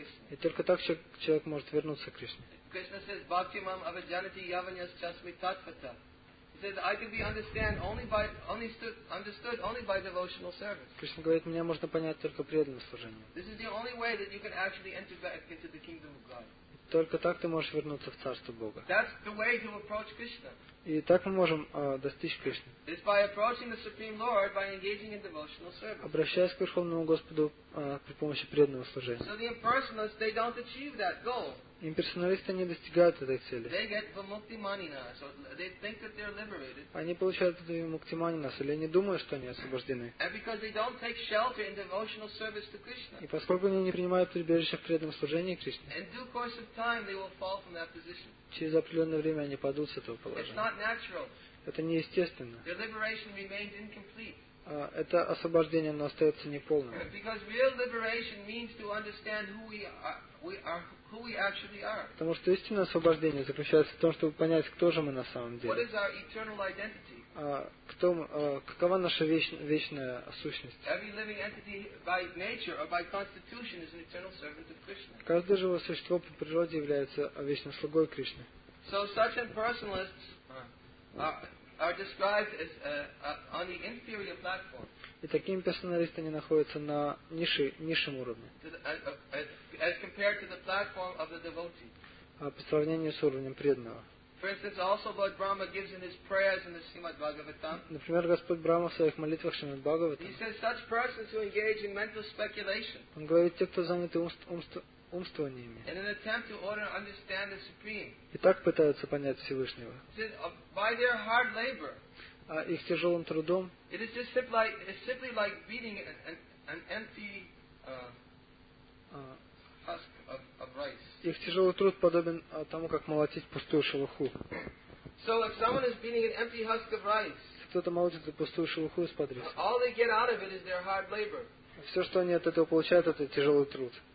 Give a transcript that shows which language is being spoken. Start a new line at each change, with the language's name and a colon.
Russian: И только так человек может вернуться к Кришне.
English: Krishna says,
Sanskrit: Bhaktimam avajanati yavanyas chasmi tatvata.
English: He says, I can be understood only by devotional service.
Russian: Кришна говорит, меня можно понять только преданным служением.
English: This is the only way that you can actually enter back into the kingdom of God.
Russian: Только так ты можешь вернуться в царство Бога.
English: That's the way to approach Krishna.
Russian: И так мы можем достичь Кришны.
English: It's by approaching the Supreme Lord by engaging in devotional service.
Russian: Обращаясь к Верховному Господу при помощи преданного служения.
English: So the impersonalists, they don't achieve that goal.
Russian: Имперсоналисты не достигают этой цели.
English: They get vimukti manina, so they think that they're liberated.
Russian: Они получают эту вимукти манинас, или они думают, что они освобождены.
English: And because they don't take shelter in devotional service to Krishna.
Russian: И поскольку они не принимают прибежище в преданном служении Кришне.
English: In due course of time, they will fall from that position.
Russian: Через определенное время они падут с этого положения.
English: It's not natural.
Russian: Это неестественно.
English: Their liberation remains incomplete.
Russian: Это освобождение, но остается неполным.
English: Because real liberation means to understand who we are. Who we actually are.
Russian: Потому что истинное освобождение заключается в том, чтобы понять, кто же мы на самом деле.
English: What is our eternal identity?
Russian: Какова наша вечная сущность?
English: Every living entity by nature or by constitution is an eternal servant of Krishna.
Russian: Каждое живое существо по природе является вечным слугой Кришны.
English: So such impersonalists are described as on the inferior platform.
Russian: И такие имперсоналисты они находятся на низшем уровне.
English: As compared to the platform of the devotee.
Russian: По сравнению с уровнем преданного.
English: For instance, also Lord Brahma gives in his prayers in the Srimad Bhagavatam.
Russian: Например, Господь Брахма в своих молитвах Шримад Бхагаватам.
English: He says such persons who engage in mental speculation.
Russian: Он говорит, те, кто заняты умствованиями.
English: In an attempt to order and understand the Supreme.
Russian: И так пытаются понять Всевышнего.
English: By their hard labor.
Russian: Их тяжелым трудом.
English: It is just simply like beating an empty husk of rice.
Russian: Их тяжелый труд подобен тому, как молотить пустую шелуху.
English: So if someone is beating an empty husk of rice.
Russian: Кто-то молотит пустую шелуху из-под риса.
English: All they get out of it is their hard labor.
Russian: Все, что они от этого получают, это тяжелый труд.